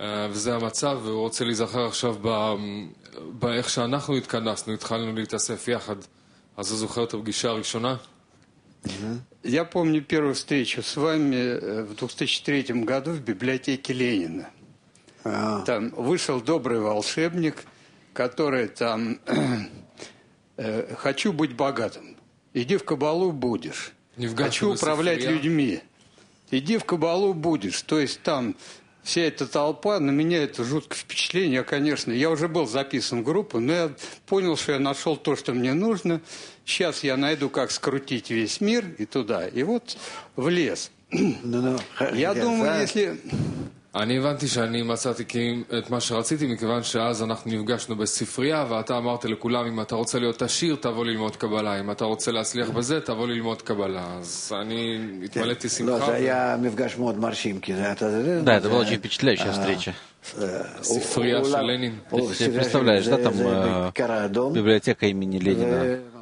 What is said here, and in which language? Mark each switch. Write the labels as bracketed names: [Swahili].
[Hebrew] וזה המצב, והוא רוצה להיזכר עכשיו באיך שאנחנו התכנסנו, התחלנו להתאסף יחד. אז הוא זוכר את הפגישה הראשונה? [Russian] Я помню первую встречу с вами в 2003 году в библиотеке Ленина. Там вышел добрый волшебник, который там... «Хочу быть богатым». «Иди в кабалу будешь». «Хочу управлять людьми». иди в кабалу будешь. То есть там вся эта толпа, на меня это жуткое впечатление. Я, конечно, я уже был записан в группу, но я понял, что я нашел то, что мне нужно. Сейчас я найду, как скрутить весь мир и туда. И вот в лес. Я думаю, если... [Hebrew] אני הבנתי שאני מצאתי כי את מה שרציתי, מכיוון שאז אנחנו נפגשנו בספרייה, ואתה אמרת לכולם, אם אתה רוצה להיות עשיר, תבוא ללמוד קבלה. אם אתה רוצה להצליח בזה, תבוא ללמוד קבלה. אז אני התמלאתי שמחה. לא, זה היה מפגש מאוד מרשים, כי זה היה... [Russian] Да, это было очень впечатляющая встреча. [Hebrew] ספרייה של לנין. [Russian] Ты себе представляешь, да, там библиотека имени Ленина.